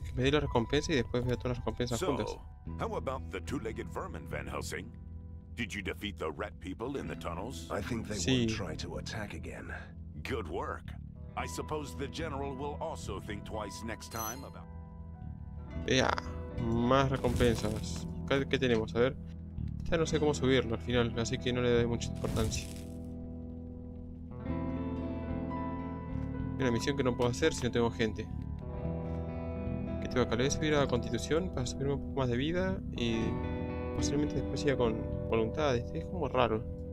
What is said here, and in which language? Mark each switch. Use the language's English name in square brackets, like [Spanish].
[Spanish] Que me dé la recompensa y después veo todas las recompensas juntas. [English] How about the two-legged vermin, Van Helsing? Did you defeat the rat people in the tunnels? I think they will try to attack again. Good work. I suppose the general will also think twice next time about. [Spanish] Yeah, más recompensas. ¿Qué tenemos? A ver. Ya no sé cómo subirlo al final, así que no le doy mucha importancia. Una misión que no puedo hacer si no tengo gente. ¿Qué tengo acá? Le voy a subir a Constitución para subirme un poco más de vida y posiblemente después siga con voluntades. Es como raro.